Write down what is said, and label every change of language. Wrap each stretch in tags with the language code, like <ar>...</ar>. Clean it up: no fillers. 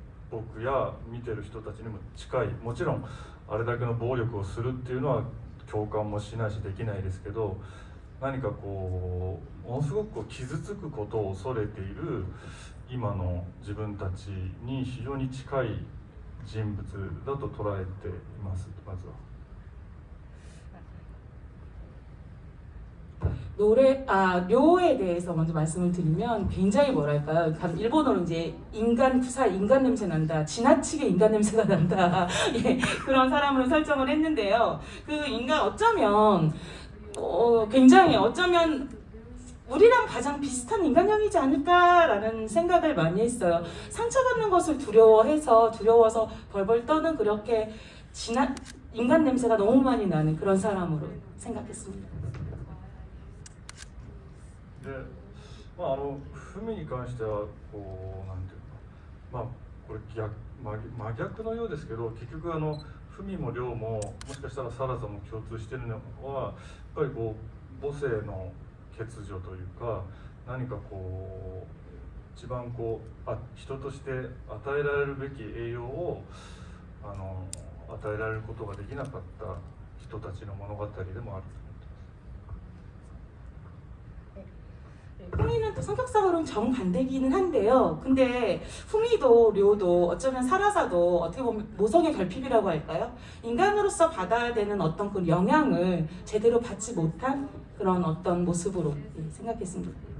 <ja>僕や見てる人たちにも近い、もちろんあれだけの暴力をするっていうのは共感もしないしできないですけど、何かこうものすごくこう傷つくことを恐れている今の自分たちに非常に近い人物だと捉えています。まずは</ja> <ko>노래 아 료에 대해서 먼저 말씀을 드리면 굉장히 뭐랄까요? 그럼 일본어로 이제 인간 구사 인간 냄새 난다, 지나치게 인간 냄새가 난다 예, 그런 사람으로 설정을 했는데요. 그 인간 어쩌면 굉장히 어쩌면 우리랑 가장 비슷한 인간형이지 않을까라는 생각을 많이 했어요. 상처받는 것을 두려워해서 두려워서 벌벌 떠는 그렇게 인간 냄새가 너무 많이 나는 그런 사람으로 생각했습니다.</ko> <ja>で、まああのフミに関してはこうなんていうか、まあこれ逆真逆のようですけど、結局あのフミもリョウももしかしたらサラザも共通しているのはやっぱりこう母性の欠如というか、何かこう一番こう人として与えられるべき栄養をあの与えられることができなかった人たちの物語でもある。</ja> <ko>후미는 또 성격상으로는 정반대기는 한데요. 근데 후미도 료도 어쩌면 사라사도 어떻게 보면 모성의 결핍이라고 할까요? 인간으로서 받아야 되는 어떤 그 영향을 제대로 받지 못한 그런 어떤 모습으로 예, 생각했습니다.</ko>